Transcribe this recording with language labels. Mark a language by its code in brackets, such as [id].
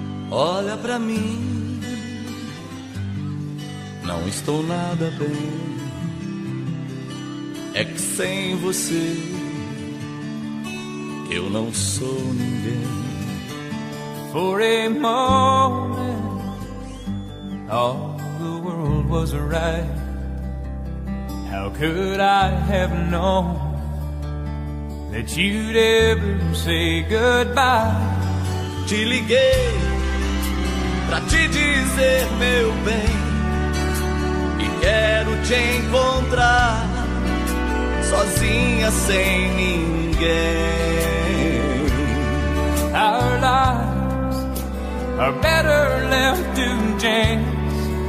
[pt] Olha pra mim, não estou nada bem. É que sem você eu não sou ninguém. [en] For a moment all the world was right. How could I have known that you'd ever say goodbye? [pt] Te liguei pra te dizer, meu bem, e quero te encontrar sozinha, sem ninguém. [en] Our lives are better left to chance.